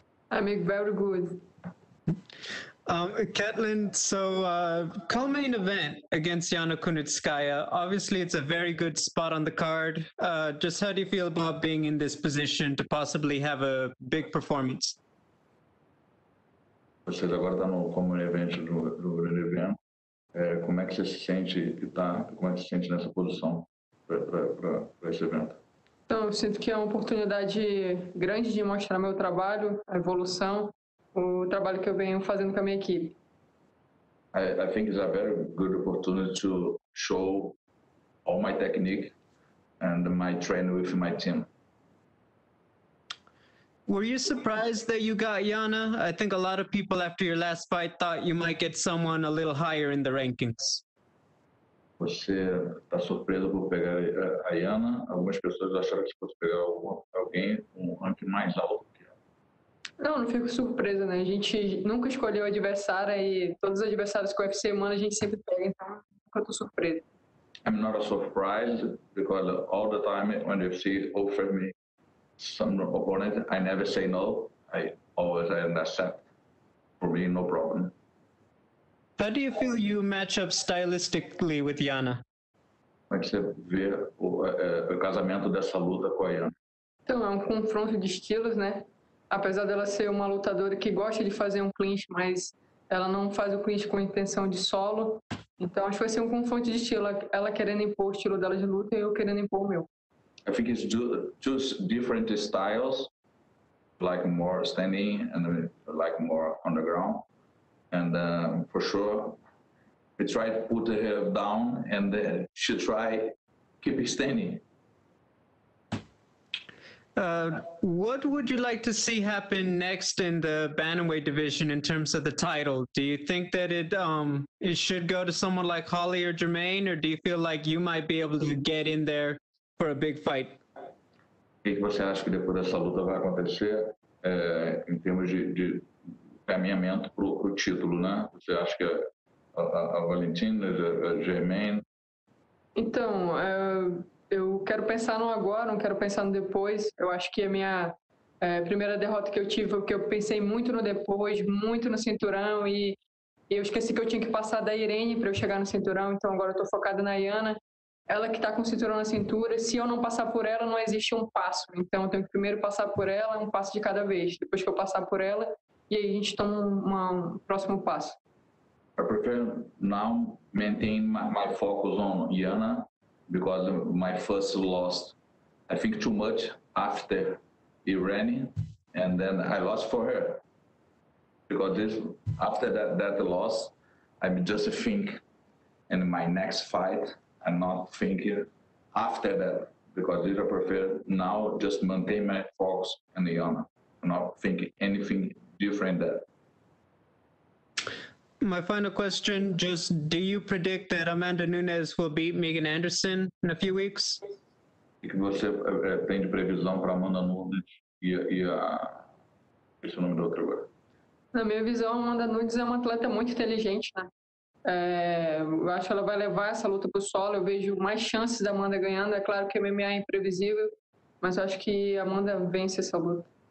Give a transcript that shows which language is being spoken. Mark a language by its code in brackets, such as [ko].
[en] I'm very good. Ketlen, so co-main event against Yana Kunitskaya. Obviously, it's a very good spot on the card. Just how do you feel about being in this position to possibly have a big performance? [pt] Você já agora está no common event do grande evento. Como é que você se sente e tá? Como é que você se sente nessa posição para esse evento? Então, eu sinto que é uma oportunidade grande de mostrar meu trabalho, a evolução, o trabalho que eu venho fazendo com a minha equipe. [en] I think it's a very good opportunity to show all my technique and my training with my team. Were you surprised that you got Yana? I think a lot of people after your last fight thought you might get someone a little higher in the rankings. [pt] Você tá surpreso por pegar a Yana? Algumas pessoas acharam que fosse pegar alguém com um ranking mais alto que ela. Não, não fico surpresa, né? A gente nunca escolheu adversário e todos os adversários que o UFC manda a gente sempre pega, então nunca tô surpreso. [en] I'm not a surprise because all the time when the UFC offered me some opponent, I never say no. I always accept. For me, no problem. How do you feel you match up stylistically with Yana? [pt] Como você vê o casamento dessa luta com a Yana? Então, é um confronto de estilos, né? Apesar dela ser uma lutadora que gosta de fazer um clinch, mas ela não faz o clinch com intenção de solo. Então, acho que vai ser um confronto de estilo. Ela querendo impor o estilo dela de luta e eu querendo impor o meu. [en] I think it's just different styles, like more standing and like more underground. And for sure, we try to put her down and she try keep standing. What would you like to see happen next in the bantamweight division in terms of the title? Do you think that it should go to someone like Holly or Jermaine, or do you feel like you might be able to get in there for a big fight? [pt] O que você acha que depois dessa luta vai acontecer em termos de caminhamento para o título, né? Você acha que a Valentina, a Jermaine? Então, eu quero pensar no agora, não quero pensar no depois. Eu acho que a minha primeira derrota que eu tive, que eu pensei muito no depois, muito no cinturão, e eu esqueci que eu tinha que passar da Irene para eu chegar no cinturão, então agora eu estou focada na Yana. Ela que está com o cinturão na cintura, se eu não passar por ela, não existe um passo. Então, eu tenho que primeiro passar por ela, um passo de cada vez. Depois que eu passar por ela, e aí a gente toma um próximo passo. [en] I prefer now maintain my focus on Yana, because my first loss, I think too much after Irene, and then I lost for her. Because this, after that loss, I just think in my next fight, and not think after that, because I prefer now just maintain my focus and the honor, not think anything different than that. My final question, just do you predict that Amanda Nunes will beat Megan Anderson in a few weeks? [pt] O que você tem de previsão para Amanda Nunes e esse nome do outro agora? Na minha visão, Amanda Nunes é uma atleta muito inteligente, né? Eu acho que ela vai levar essa luta pro solo. Eu vejo mais chances da Amanda ganhando. É claro que a MMA é imprevisível, mas eu acho que a Amanda vence essa luta.